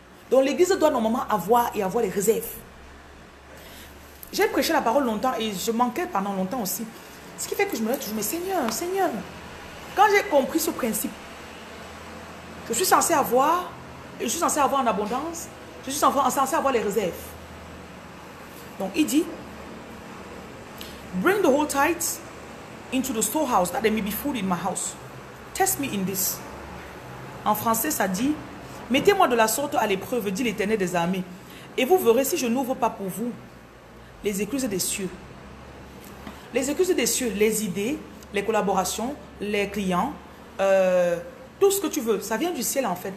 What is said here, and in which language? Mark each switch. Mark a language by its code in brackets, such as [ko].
[fr] Donc, l'église doit normalement avoir et avoir les réserves. J'ai prêché la parole longtemps et je manquais pendant longtemps aussi. Ce qui fait que je me disais toujours, mais Seigneur, Seigneur. Quand j'ai compris ce principe, je suis censé avoir, je suis censé avoir en abondance, je suis censé avoir les réserves. Donc, il dit, [en] bring the whole tithe into the storehouse that there may be food in my house. Test me in this. [fr] En français, ça dit, mettez-moi de la sorte à l'épreuve, dit l'Éternel des armées, et vous verrez si je n'ouvre pas pour vous les écluses des cieux. Les écluses des cieux, les idées, les collaborations, les clients, tout ce que tu veux, ça vient du ciel en fait.